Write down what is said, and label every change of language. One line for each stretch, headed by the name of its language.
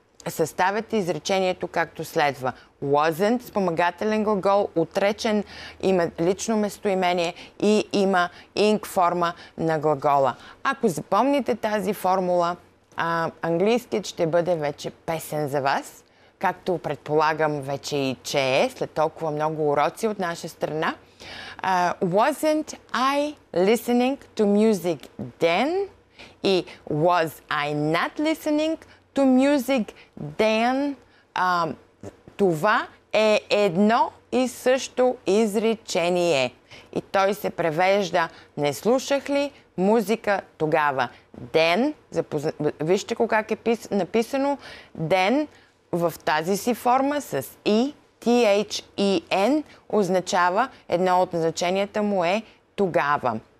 Bulgarian: съставяте изречението както следва. Wasn't спомагателен глагол, отречен, има лично местоимение и има ing форма на глагола. Ако запомните тази формула, английският ще бъде вече песен за вас, както предполагам вече и че е, след толкова много уроци от наша страна.
English: Wasn't I listening to music then? И was I not listening to music then?
Bulgarian: Това е едно и също изречение. И той се превежда, не слушах ли музика тогава? Then, вижте как е написано, then в тази си форма с и, T-H-E-N, означава, едно от значенията му е тогава.